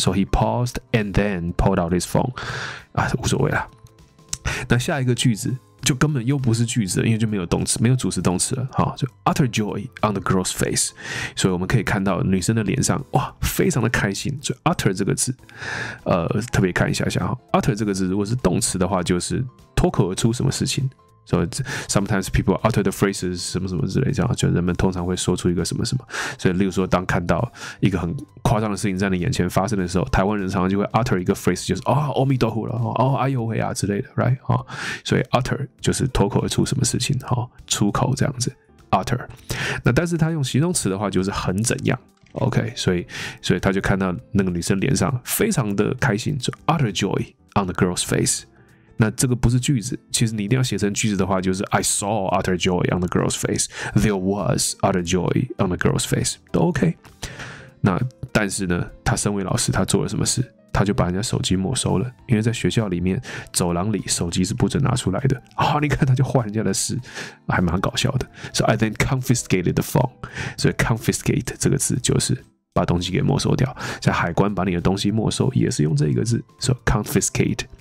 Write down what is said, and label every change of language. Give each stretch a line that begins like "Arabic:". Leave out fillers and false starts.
English: So he paused and then pulled out his phone，
Chinese: 啊无所谓啦。那下一个句子。就根本又不是句子，因为就没有动词，没有主词动词了。就
English: utter joy on the girl's face，
Chinese: 所以我们可以看到女生的脸上，哇，非常的开心。所以 utter 这个字，特别看一下下 utter 这个字如果是动词的话，就是脱口而出什么事情。所以
English: sometimes people utter the phrases
Chinese: 什么什么之类，这样就人们通常会说出一个什么什么。所以例如说，当看到一个很夸张的事情在你眼前发生的时候，台湾人常常就会 utter 一个 phrase， 就是啊，阿弥陀佛了，哦，哎呦喂啊之类的 ，right？ 啊，所以 utter 就是脱口而出什么事情，哈，出口这样子 utter。那但是他用形容词的话，就是很怎样 ，OK？所以他就看到那个女生脸上非常的开心，就
English: utter joy on the girl's face。
Chinese: 那这个不是句子，其实你一定要写成句子的话，就是
English: I saw utter joy on the girl's face. There was utter joy on the girl's face.
Chinese: 都 OK。那但是呢，他身为老师，他做了什么事？他就把人家手机没收了，因为在学校里面走廊里手机是不准拿出来的。好、哦，你看他就坏人家的事，还蛮搞笑的。
English: So I then confiscated the phone.
Chinese: 所以 confiscate 这个字就是把东西给没收掉，在海关把你的东西没收也是用这一个字，所以 confiscate。